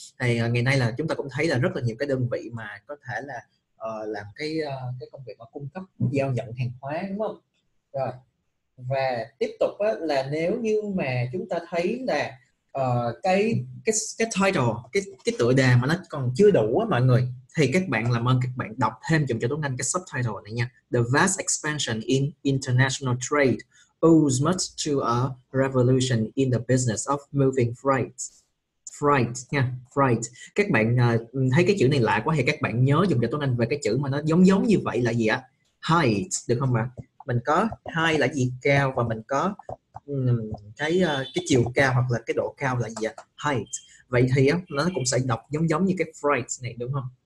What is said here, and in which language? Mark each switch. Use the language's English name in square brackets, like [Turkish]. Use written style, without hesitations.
[Vietnamese] Thì ngày nay là chúng ta cũng thấy là rất là nhiều cái đơn vị mà có thể là làm cái công việc mà cung cấp giao nhận hàng hóa, đúng không? Rồi, và tiếp tục á, là nếu như mà chúng ta thấy là cái title, cái tựa đề mà nó còn chưa đủ á, mọi người, thì các bạn làm ơn các bạn đọc thêm dùm cho Tuấn Anh cái subtitle này nha. [English] The vast expansion in international trade owes much to a revolution in the business of moving freight. Freight [Vietnamese] nha, [English] freight. [Vietnamese] Các bạn thấy cái chữ này lạ quá thì các bạn nhớ dùng cho tiếng Anh về cái chữ mà nó giống giống như vậy là gì ạ? Height, được không ạ? Mình có height là gì? Cao, và mình có cái chiều cao hoặc là cái độ cao là gì ạ? Height. Vậy thì nó cũng sẽ đọc giống giống như cái freight này, đúng không?